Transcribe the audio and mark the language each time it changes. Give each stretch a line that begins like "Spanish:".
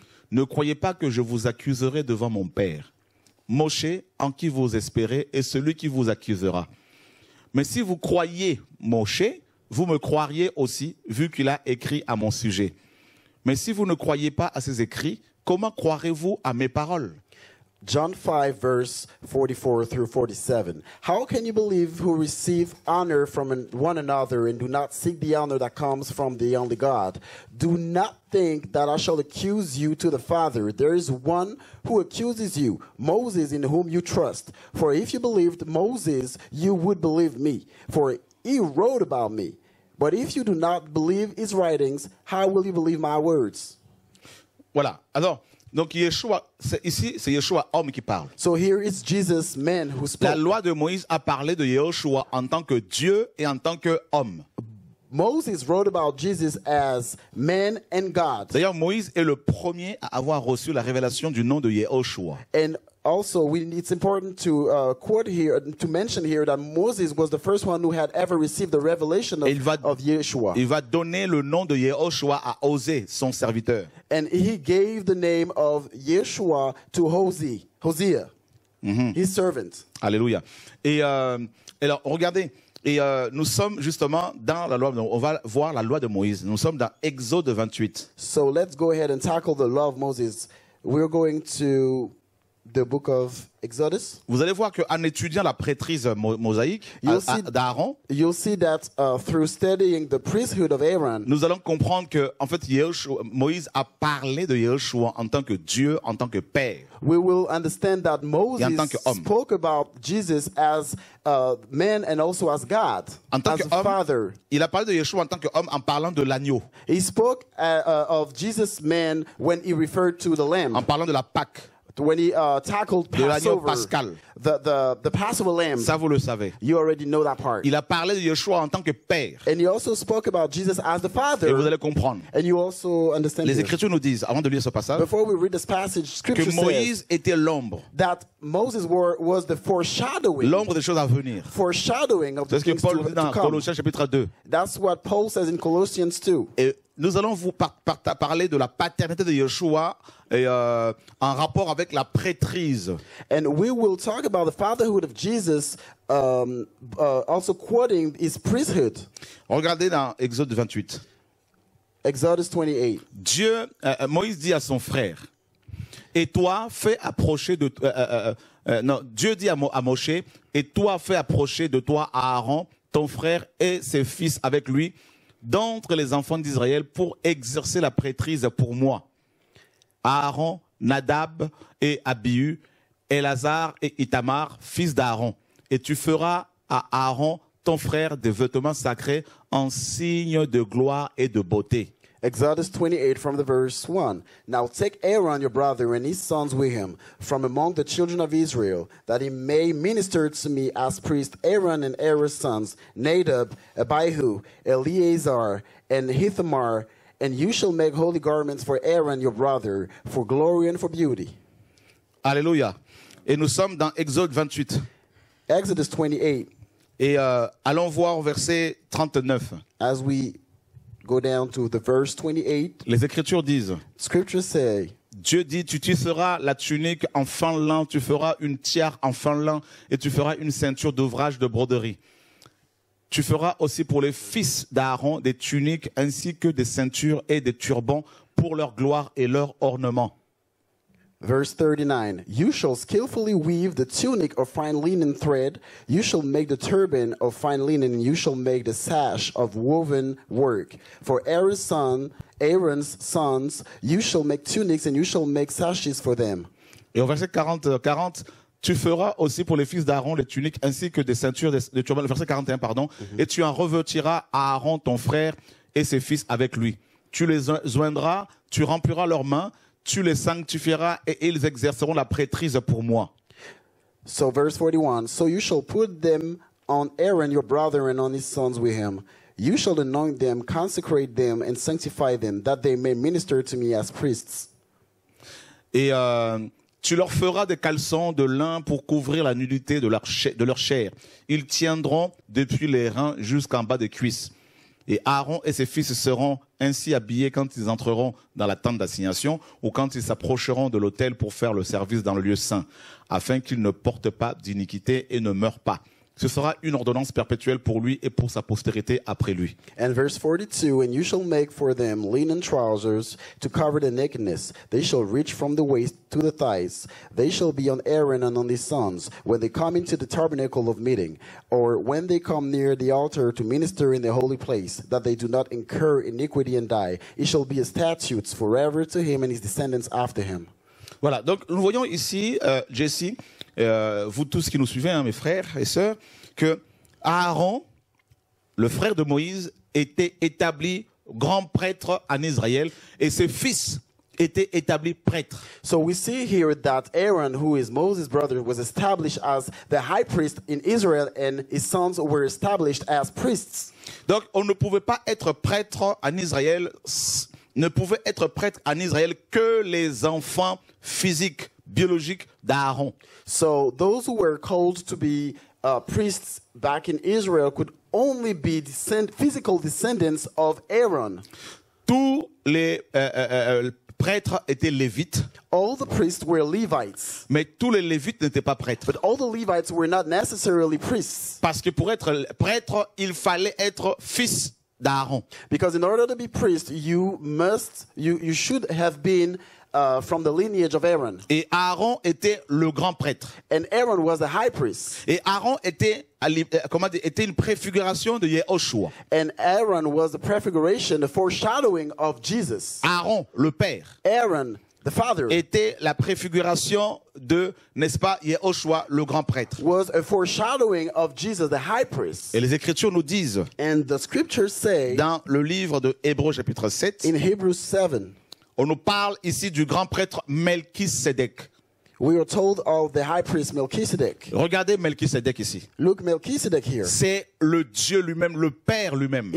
French: Ne croyez pas que je vous accuserai devant mon Père. Moshe, en qui vous espérez, est celui qui vous accusera. Mais si vous croyez Moshe, vous me croiriez aussi, vu qu'il a écrit à mon sujet. Mais si vous ne croyez pas à ses écrits, comment croirez-vous à mes paroles?
English: John 5, verse 44 through 47. How can you believe who receive honor from one another and do not seek the honor that comes from the only God? Do not think that I shall accuse you to the Father. There is one who accuses you, Moses, in whom you trust. For if you believed Moses, you would believe me, for he wrote about me. But if you do not believe his writings, how will you believe my words?
French: Voilà. Alors, donc Yeshua, c'est Yeshua homme qui parle.
English: So here is Jesus, man who spoke.
French: La loi de Moïse a parlé de Yeshua en tant que Dieu et en tant que homme.
English: Moses wrote about Jesus as man and God.
French: D'ailleurs, Moïse est le premier à avoir reçu la révélation du nom de Yeshua.
English: And also, it's important to quote here, to mention here that Moses was the first one who had ever received the revelation of Yeshua.
French: Il va donner le nom de Yeshua à Osée, son serviteur.
English: And he gave the name of Yeshua to Hosea, mm-hmm. his servant.
French: Alléluia. Et alors, regardez, et nous sommes justement dans la loi, on va voir la loi de Moïse. Nous sommes dans Exode 28.
English: So let's go ahead and tackle the law of Moses. We're going to the book of Exodus.
French: Vous allez voir qu'en étudiant la prêtrise mosaïque d'Aaron,
English: you'll see that through studying the priesthood of Aaron,
French: nous allons comprendre que en fait Moïse a parlé de Yeshua en tant que Dieu, en tant que Père.
English: We will understand that Moses spoke about Jesus as man and also as God,
French: en tant
English: as
French: que homme,
English: Father.
French: Il a parlé de Yeshua en tant qu'homme en parlant de l'agneau.
English: He spoke of Jesus man when he referred to the lamb.
French: En parlant de la Pâque.
English: When he tackled Passover,
French: Pascal.
English: The Passover lamb,
French: ça vous le savez.
English: You already know that part.
French: Il a parlé de Yeshua en tant que Père.
English: And he also spoke about Jesus as the Father.
French: Et vous allez comprendre.
English: And you also understand.
French: Les Écritures nous disent, avant de lire ce passage,
English: before we read this passage, Scripture
French: que Moïse était l'ombre.
English: That Moses was the foreshadowing.
French: L'ombre des choses à venir.
English: Foreshadowing of the things to come.
French: C'est ce que Paul dit dans Colossiens chapitre 2.
English: That's what Paul says in Colossians 2.
French: Et nous allons vous parler de la paternité de Yeshua et en rapport avec la prêtrise.
English: And we will talk about the fatherhood of Jesus, also quoting his priesthood.
French: Regardez dans Exode 28.
English: Exodus 28.
French: Dieu, Moïse dit à son frère, et toi fais approcher de Dieu dit à Moïse, et toi fais approcher de toi à Aaron, ton frère et ses fils avec lui, d'entre les enfants d'Israël pour exercer la prêtrise pour moi. Aaron, Nadab et Abihu, Élazar et Itamar, fils d'Aaron. Et tu feras à Aaron, ton frère, des vêtements sacrés en signe de gloire et de beauté.
English: Exodus 28 from the verse 1. Now take Aaron, your brother, and his sons with him from among the children of Israel, that he may minister to me as priest. Aaron and Aaron's sons, Nadab, Abihu, Eleazar, and Ithamar, and you shall make holy garments for Aaron, your brother, for glory and for beauty.
French: Alléluia. Et nous sommes dans Exode 28.
English: Exodus 28.
French: Et allons voir au verset 39.
English: As we go down to the verse 28.
French: Les Écritures disent.
English: Scriptures say.
French: Dieu dit, tu tisseras la tunique en fin lin, tu feras une tiare en fin lin, et tu feras une ceinture d'ouvrage de broderie. Tu feras aussi pour les fils d'Aaron des tuniques ainsi que des ceintures et des turbans pour leur gloire et leur ornement.
English: Verse 39, you shall skillfully weave the tunic of fine linen thread, you shall make the turban of fine linen, and you shall make the sash of woven work. For Aaron's sons, you shall make tunics and you shall make sashes for them.
French: Et au verset 40, tu feras aussi pour les fils d'Aaron les tuniques ainsi que des ceintures, des turbans, verset 41, pardon, et tu en revêtiras à Aaron ton frère et ses fils avec lui. Tu les joindras, tu rempliras leurs mains, tu les sanctifieras et ils exerceront la prêtrise pour moi.
English: So verse 41, so you shall put them on Aaron your brother and on his sons with him. You shall anoint them, consecrate them and sanctify them that they may minister to me as priests.
French: Et tu leur feras des caleçons de lin pour couvrir la nudité de leur chair. Ils tiendront depuis les reins jusqu'en bas des cuisses. Et Aaron et ses fils seront ainsi habillés quand ils entreront dans la tente d'assignation ou quand ils s'approcheront de l'autel pour faire le service dans le lieu saint, afin qu'ils ne portent pas d'iniquité et ne meurent pas. Ce sera une ordonnance perpétuelle pour lui et pour sa postérité après lui.
English: And verse 42, and you shall make for them linen trousers to cover the nakedness. They shall reach from the waist to the thighs. They shall be on Aaron and on his sons when they come into the tabernacle of meeting, or when they come near the altar to minister in the holy place, that they do not incur iniquity and die. It shall be a statute forever to him and his descendants after him.
French: Voilà, donc nous voyons ici, Jesse, vous tous qui nous suivez, hein, mes frères et sœurs, que Aaron, le frère de Moïse, était établi grand prêtre en Israël et ses fils étaient établis prêtres.
English: So we see here that Aaron, who is Moses' brother, was established as the high priest in Israel and his sons were established as priests.
French: Donc on ne pouvait pas être prêtre en Israël, ne pouvait être prêtre en Israël que les enfants physiques, biologiques d'Aaron.
English: So those who were called to be priests back in Israel could only be physical descendants of Aaron.
French: Tous les prêtres étaient lévites.
English: All the priests were Levites.
French: Mais tous les lévites n'étaient pas prêtres.
English: But all the Levites were not necessarily priests.
French: Parce que pour être prêtre, il fallait être fils d'Aaron.
English: Because in order to be priest, you should have been from the lineage of Aaron.
French: Et Aaron était le grand prêtre.
English: And Aaron was the high priest.
French: Et Aaron était une préfiguration de Yeshua.
English: And Aaron was the prefiguration, the foreshadowing of Jesus.
French: Aaron, le père.
English: Aaron, the father.
French: Était la préfiguration de, n'est-ce pas, Yeshua, le grand prêtre.
English: Was a foreshadowing of Jesus, the high priest.
French: Et les Écritures nous disent.
English: And the scriptures say.
French: Dans le livre de Hébreux chapitre 7.
English: In Hebrews 7.
French: On nous parle ici du grand prêtre Melchisedec.
English: We are told of the high priest Melchisedec.
French: Regardez Melchisedec ici.
English: Look Melchisedec here.
French: C'est le Dieu lui-même, le Père lui-même.